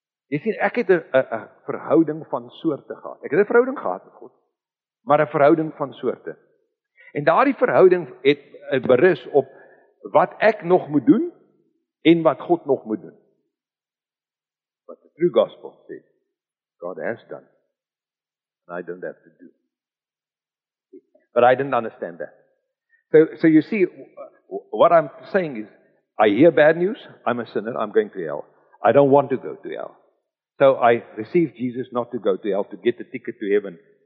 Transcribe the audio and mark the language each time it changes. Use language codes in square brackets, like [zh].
[af] Jy sien, ek het 'n verhouding van soorte gehad. Ek het 'n verhouding gehad met God, maar 'n verhouding van soorte. En daardie verhouding het berus op wat ek nog moet doen, en wat God nog moet doen. [en] But the true gospel says, God has done, and I don't have to do. But I didn't understand that. So you see, what I'm saying is, I hear bad news, I'm a sinner, I'm going to hell. I don't want to go to hell. So I received Jesus not to go to hell, to get the ticket to heaven.